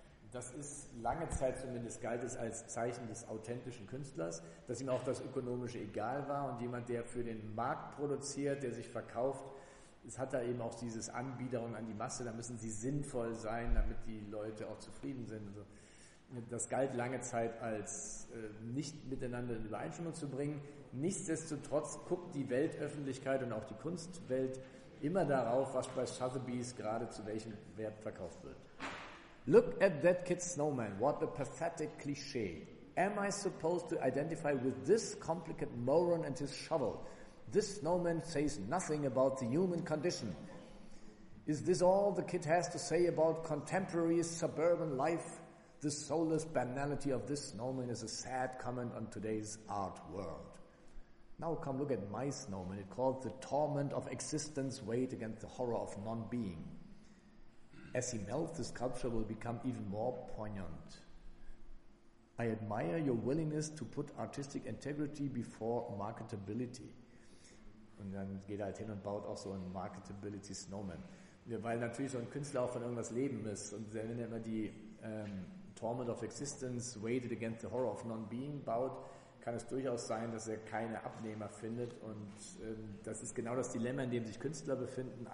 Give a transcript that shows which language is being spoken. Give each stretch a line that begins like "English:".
German: Das ist lange Zeit zumindest galt es als Zeichen des authentischen Künstlers, dass ihm auch das Ökonomische egal war und jemand, der für den Markt produziert, der sich verkauft, es hat da eben auch dieses Anbiederung an die Masse, da müssen sie sinnvoll sein, damit die Leute auch zufrieden sind. Und so. Das galt lange Zeit als nicht miteinander in Übereinstimmung zu bringen. Nichtsdestotrotz guckt die Weltöffentlichkeit und auch die Kunstwelt immer darauf, was bei Sotheby's gerade zu welchem Wert verkauft wird.
English: Look at that kid snowman. What a pathetic cliché. Am I supposed to identify with this complicated moron and his shovel? This snowman says nothing about the human condition. Is this all the kid has to say about contemporary suburban life? The soulless banality of this snowman is a sad comment on today's art world. Now come look at my snowman. It calls the torment of existence weighed against the horror of non-being. As he melts, the sculpture will become even more poignant. I admire your willingness to put artistic integrity before marketability.
German: Und dann geht er halt hin und baut auch so einen Marketability Snowman. Ja, weil natürlich so ein Künstler auch von irgendwas leben muss. Und wenn er immer die
English: Torment of Existence weighted against the horror of non-being
German: baut, kann es durchaus sein, dass er keine Abnehmer findet. Und das ist genau das Dilemma, in dem sich Künstler befinden.